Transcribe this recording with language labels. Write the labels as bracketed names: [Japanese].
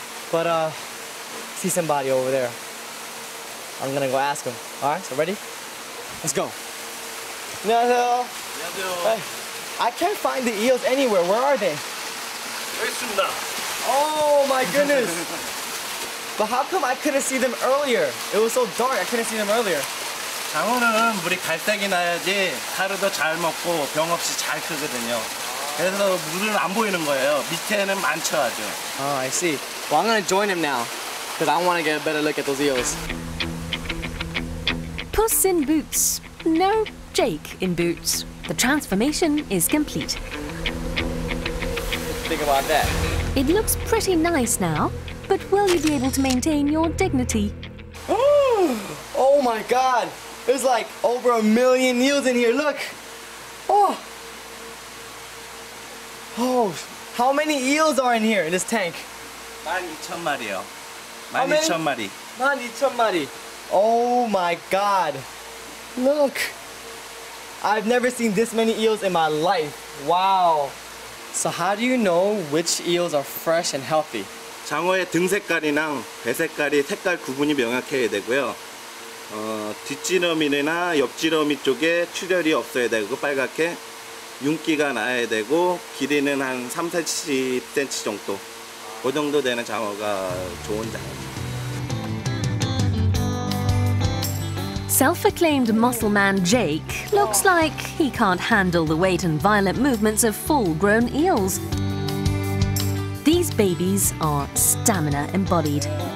[English] But I see somebody over there. I'm gonna go ask him. All right, so ready? Let's go. Hello. I can't find the eels anywhere. Where are they? Oh my goodness! But how come I couldn't see them earlier? It was so dark, I couldn't see them earlier. [Korean] 장어는 물이 갈색이 나야지 하루 더 잘 먹고 병 없이 잘 크거든요. 그래서 물은 안 보이는 거예요. 밑에는 많죠 아주. [English] Oh, I see. Well, I'm gonna join him now. Because I wanna get a better look at those eels. Puss in boots. No, Jake in boots. The transformation is complete. Think about that. It looks pretty nice now, but will you be able to maintain your dignity? Oh my god! There's like over a million eels in here, look! Oh, how many eels are in here, in this tank? [Korean] 12,000마리요. 12,000마리. 12,000마리. [English] Oh my god! Look! I've never seen this many eels in my life. Wow! So how do you know which eels are fresh and healthy? [Korean] 장어의 등 색깔이랑 배 색깔이 색깔 구분이 명확해야 되고요. 뒷지러미나 옆지러미 쪽에 출혈이 없어야 되고 빨갛게 윤기가 나야 되고 길이는 한 3-40cm 정도 그 정도 되는 장어가 좋은 장어. [English] Self-acclaimed muscle man Jake looks like he can't handle the weight and violent movements of full-grown eels. These babies are stamina embodied.